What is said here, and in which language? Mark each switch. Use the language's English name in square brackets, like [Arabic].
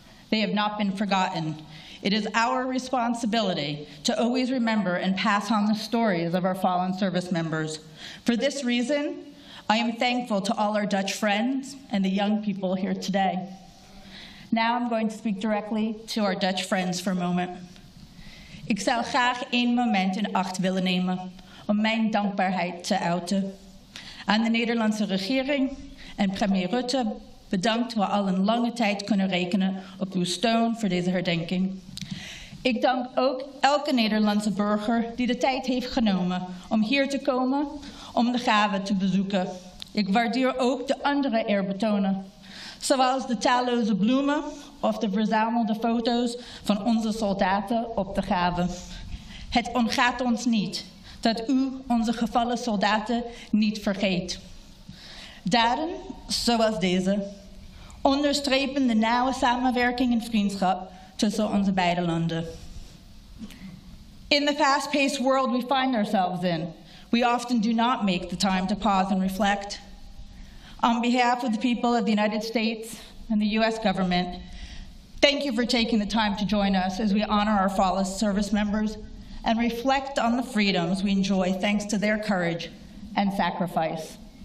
[English] They have not been forgotten. It is our responsibility to always remember and pass on the stories of our fallen service members. For this reason, I am thankful to all our Dutch friends and the young people here today. Now I'm going to speak directly to our Dutch friends for a moment. [Dutch] Ik zou graag één moment in acht willen nemen om mijn dankbaarheid te uiten. Aan de Nederlandse regering en premier Rutte, bedankt we al een lange tijd kunnen rekenen op uw steun voor deze herdenking. Ik dank ook elke Nederlandse burger die de tijd heeft genomen om hier te komen om de graven te bezoeken. Ik waardeer ook de andere eerbetonen, zoals de talloze bloemen of de verzamelde foto's van onze soldaten op de graven. Het ontgaat ons niet dat u onze gevallen soldaten niet vergeet. Daden zoals deze onderstrepen de nauwe samenwerking en vriendschap tussen onze beide landen. [English] In the fast-paced world we find ourselves in, we often do not make the time to pause and reflect. On behalf of the people of the United States and the U.S. government, thank you for taking the time to join us as we honor our fallen service members and reflect on the freedoms we enjoy thanks to their courage and sacrifice.